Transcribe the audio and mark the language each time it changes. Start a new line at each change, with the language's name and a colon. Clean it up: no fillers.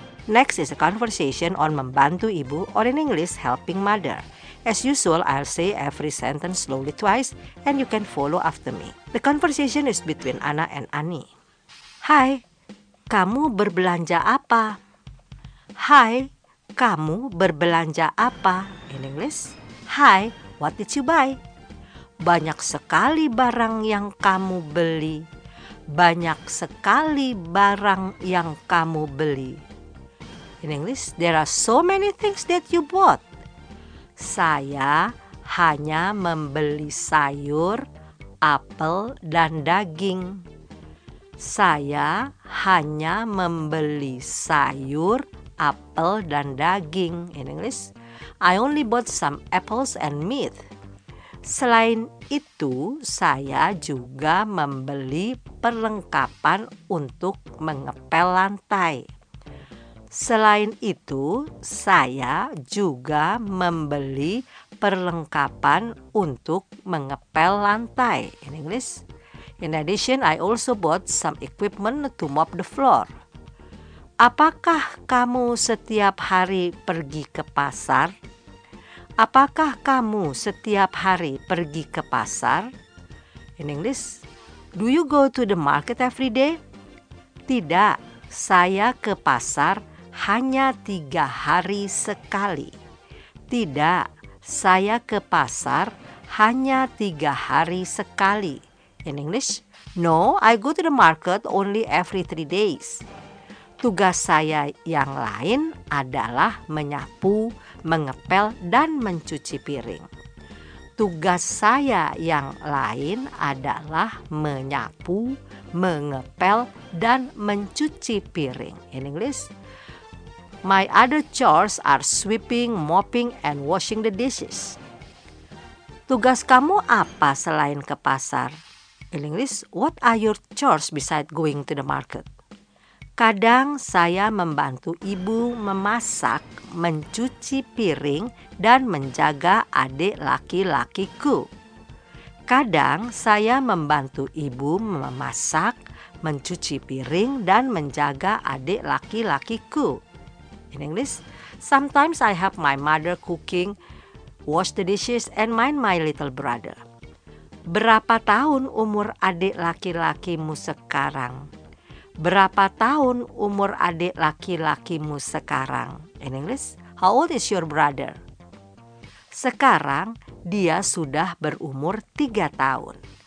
English: Next is a conversation on
Indonesian: membantu ibu,
English: or in English, helping mother. As usual, I'll say every sentence slowly twice, and you can follow after me. The conversation is between Ana and Ani.
Indonesian: Hai, kamu berbelanja apa? Hai, kamu berbelanja apa?
English: In English, hai, what did you buy?
Indonesian: Banyak sekali barang yang kamu beli. Banyak sekali barang yang kamu beli.
English: In English, there are so many things that you bought.
Indonesian: Saya hanya membeli sayur, apel, dan daging. Saya hanya membeli sayur, apel, dan daging.
English: In English, I only bought some apples and meat.
Indonesian: Selain itu, saya juga membeli perlengkapan untuk mengepel lantai. Selain itu, saya juga membeli perlengkapan untuk mengepel lantai.
English: In English, in addition, I also bought some equipment to mop the floor.
Indonesian: Apakah kamu setiap hari pergi ke pasar? Apakah kamu setiap hari pergi ke pasar?
English: In English, do you go to the market every day?
Indonesian: Tidak, saya ke pasar hanya 3 hari sekali. Tidak, saya ke pasar hanya 3 hari sekali.
English: In English, no, I go to the market only every 3 days.
Indonesian: tugas saya yang lain adalah menyapu, mengepel, dan mencuci piring. Tugas saya yang lain adalah menyapu, mengepel, dan mencuci piring.
English: In English, my other chores are sweeping, mopping, and washing the dishes.
Indonesian: Tugas kamu apa selain ke pasar?
English: In English, what are your chores besides going to the market?
Indonesian: Kadang saya membantu ibu memasak, mencuci piring, dan menjaga adik laki-lakiku. Kadang saya membantu ibu memasak, mencuci piring, dan menjaga adik laki-lakiku.
English: In English, sometimes I help my mother cooking, wash the dishes, and mind my little brother.
Indonesian: Berapa tahun umur adik laki-lakimu sekarang? Berapa tahun umur adik laki-lakimu sekarang?
English: In English, how old is your brother?
Indonesian: Sekarang dia sudah berumur 3 tahun.